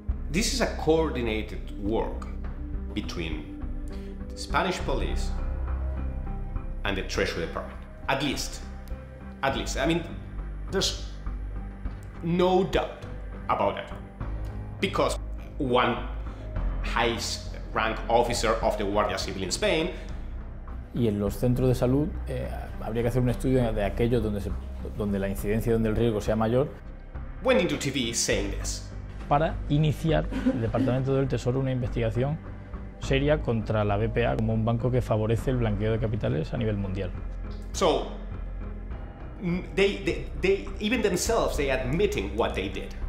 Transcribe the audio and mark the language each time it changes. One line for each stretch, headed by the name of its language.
English: This is a coordinated work between Spanish police and the Treasury Department. At least. I mean, there's no doubt about that. Because one highest rank officer of the Guardia Civil in Spain.
Spanish: Y en los centros de salud habría que hacer un estudio de aquellos donde la incidencia, donde el riesgo sea mayor.
English: Went into TV saying this.
Spanish: Para iniciar el Departamento del Tesoro una investigación seria contra la BPA como un banco que favorece el blanqueo de capitales a nivel mundial.
English: So they even themselves they admitting what they did.